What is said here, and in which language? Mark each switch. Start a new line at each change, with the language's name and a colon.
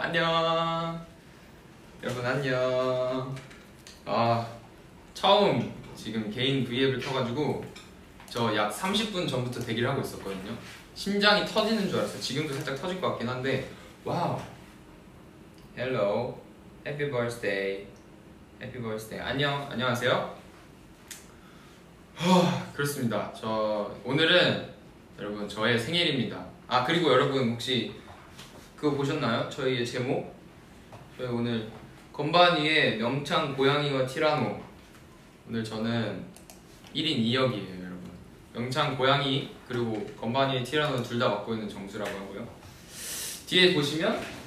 Korean: 안녕. 여러분 안녕. 아 처음 지금 개인 브이앱을 켜가지고 저 약 30분 전부터 대기를 하고 있었거든요. 심장이 터지는 줄 알았어요. 지금도 살짝 터질 것 같긴 한데 와우.
English: Hello, Happy Birthday, Happy Birthday.
Korean: 안녕, 안녕하세요. 하, 그렇습니다. 저 오늘은 여러분 저의 생일입니다. 아 그리고 여러분 혹시 그거 보셨나요? 저희의 제목. 저희 오늘 건반 위에 명창 고양이와 티라노. 오늘 저는 1인 2역이에요, 여러분. 명창 고양이 그리고 건반 위에 티라노 둘 다 맡고 있는 정수라고 하고요. 뒤에 보시면.